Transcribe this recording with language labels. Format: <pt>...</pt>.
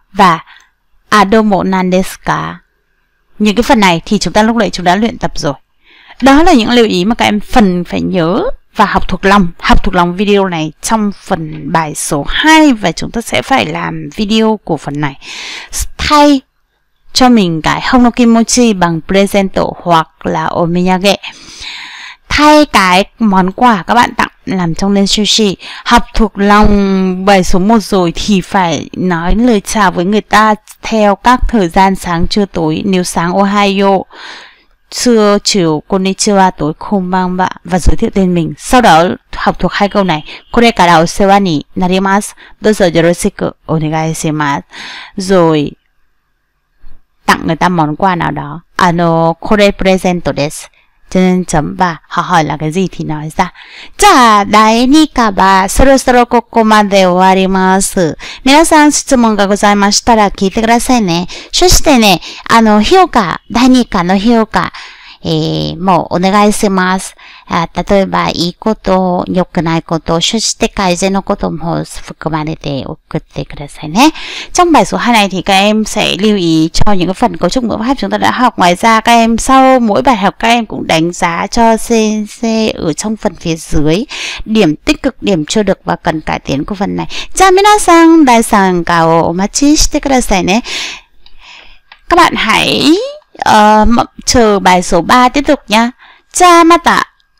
<vi>Và</vi> <ja>あどうもなんですか?</ja> <vi>Những cái phần này thì chúng ta lúc nãy chúng đã luyện tập rồi. Đó là những lưu ý mà các em phần phải nhớ và học thuộc lòng. Học thuộc lòng video này trong phần bài số 2. Và chúng ta sẽ phải làm video của phần này. Thay cho mình cái hokkimochi bằng presento hoặc là お土産. Thay cái món quà các bạn tặng làm trong lên sushi. Học thuộc lòng bài số 1 rồi thì phải nói lời chào với người ta theo các thời gian sáng, trưa, tối. Nếu sáng Ohayo, trưa, chiều, konnichiwa, tối, konbanwa, và giới thiệu tên mình. Sau đó học thuộc hai câu này.</vi> <ja>これからお世話になります.どうぞよろしくお願いします.</ja> <vi>Rồi tặng người ta món quà nào đó.</vi> <ja>これプレゼントです.</ja> <vi>Cho nên chấm và họ hỏi là cái gì thì nói ra.</vi> <ja>じゃあ, 第2課はそろそろここまで終わります. So ro so ro koko made owarimasu. Minasan shitsumon ga gozaimashitara kiite kudasai ne. Soshite ne, hyouka, 第2課の hyouka, もうお願いします。例えば、いいこと、良くないこと、そして改善のことも含まれて送ってくださいね。</ja> <vi>trong bài số 2 này thì các em sẽ lưu ý cho những cái phần cấu trúc ngữ pháp chúng ta đã học. Ngoài ra, các em sau mỗi bài học, các em cũng đánh giá cho CNC ở trong phần phía dưới điểm tích cực, điểm chưa được và cần cải tiến của phần này.</vi> <ja>じゃあ皆さん、第3課をお待ちしてくださいね。</ja> <vi>các bạn hãy chờ bài số 3 tiếp tục nha.</vi> <ja>じゃあまた!</ja>